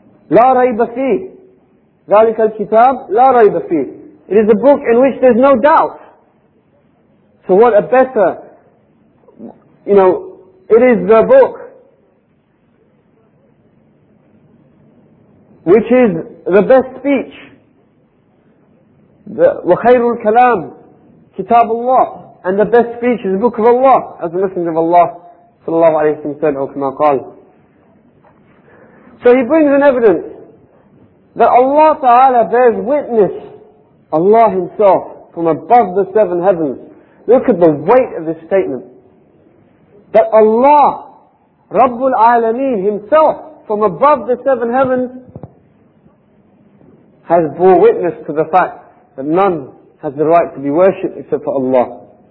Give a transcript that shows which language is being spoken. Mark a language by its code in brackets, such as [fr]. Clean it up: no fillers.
[ar] La rayba fi. ذَلِكَ الْكِتَابِ لَا رَيْبَ فِيهِ. [en] It is a book in which there's no doubt. So what a better, you know, it is the book which is the best speech. [ar] The وَخَيْرُ الْكَلَامِ كِتَابُ اللَّهِ. [en] And the best speech is the book of Allah, as the Messenger of Allah [ar] صلى الله عليه وسلم [en] said, or [ar] كما قال. [en] So he brings an evidence that Allah Ta'ala bears witness, Allah Himself, from above the seven heavens. Look at the weight of this statement. That Allah, Rabbul Alameen Himself, from above the seven heavens, has bore witness to the fact that none has the right to be worshipped except for Allah.